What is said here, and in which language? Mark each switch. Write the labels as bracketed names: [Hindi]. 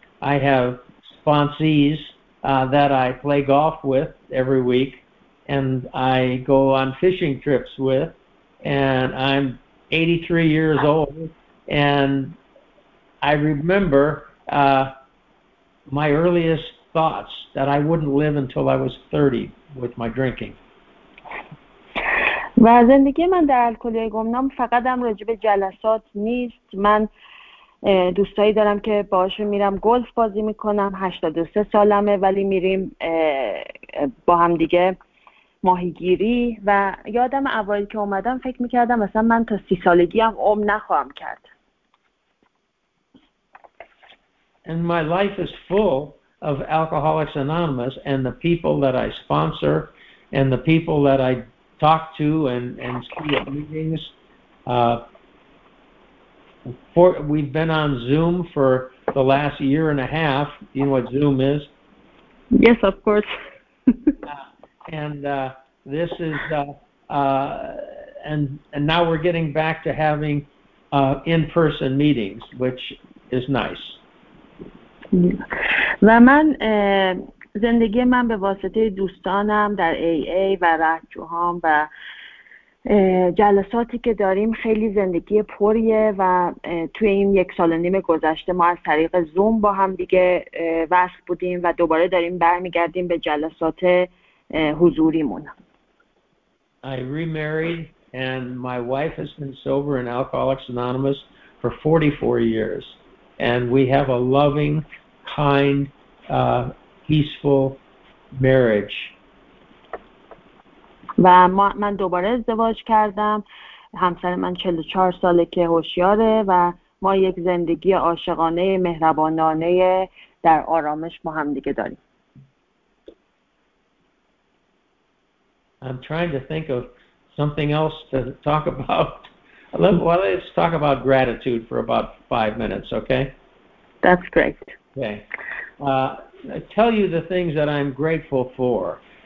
[English] I have sponsees that I play golf with every week, and I go on fishing trips with, and I'm 83 years old, and I remember my earliest thoughts that I wouldn't live until I was 30 with my drinking. [Persian] و زندگی من در الکلی گمنام فقط هم راجب جلسات نیست. من دوستایی دارم که باهاشون میرم گلف بازی میکنم، 83 سالمه، ولی میریم با هم دیگه ماهیگیری. و یادم اوایل که اومدم فکر میکردم مثلا من تا 30 سالگی هم عمر نخواهم کرد. [English] And my life is full of Alcoholics Anonymous and the people that I sponsor and the people that I talk to and see at meetings. We've been on Zoom for the last year and a half. You know what Zoom is? Yes, of course. and now we're getting back to having in-person meetings, which is nice. Laman. [Persian] زندگی من به واسطه دوستانم در AA و راهجوهام و جلساتی که داریم خیلی زندگی پریه و توی این یک سال و نیم گذشته ما از طریق زوم با هم دیگه وصل بودیم و دوباره داریم برمیگردیم به جلسات حضوریمون. [English] I remarried and my wife has been sober in Alcoholics Anonymous for 44 years and we have a loving, kind peaceful marriage. [Persian] و من دوباره ازدواج کردم. همسر من 44 ساله که هوشیاره و ما یک زندگی عاشقانه مهربانانه در آرامش با هم دیگه داریم. [English] I'm trying to think of something else to talk about. Well, let's talk about gratitude for about 5 minutes, okay? That's great. Okay. I tell you the things that I'm grateful for.